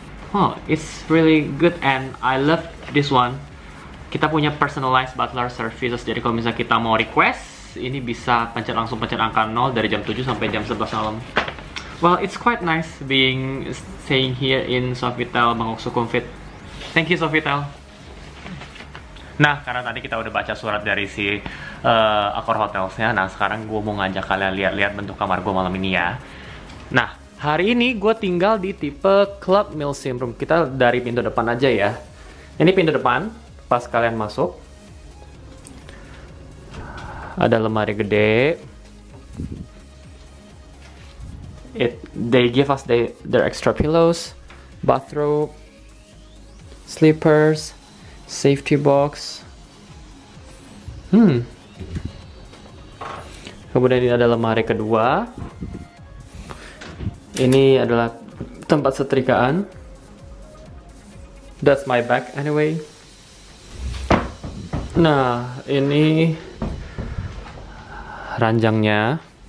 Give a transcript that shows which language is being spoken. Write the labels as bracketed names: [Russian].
[English] Huh, it's really good and I love this one. [Indonesian] Kita punya [English] personalized butler services, [Indonesian] jadi kalau misalnya kita mau request, ini bisa pencet langsung pencet angka 0 dari jam 7 sampai jam 11 malam. [English] Well, it's quite nice being staying here in Sofitel Bangkok Sukhumvit. Thank you Sofitel. [Indonesian] Nah, karena tadi kita udah baca surat dari si Accor Hotelsnya, nah sekarang gue mau ngajak kalian lihat-lihat bentuk kamar gue malam ini ya. Nah, hari ini gue tinggal di tipe Club Millesime Room. Kita dari pintu depan aja ya. Ini pintu depan. Pas kalian masuk, ada lemari gede. [English] They give us their extra pillows, bathrobe, slippers, safety box. [Indonesian] Kemudian ini ada lemari kedua. Ini adalah tempat setrikaan. [English] That's my bag anyway. [Indonesian] Nah, ini ranjangnya.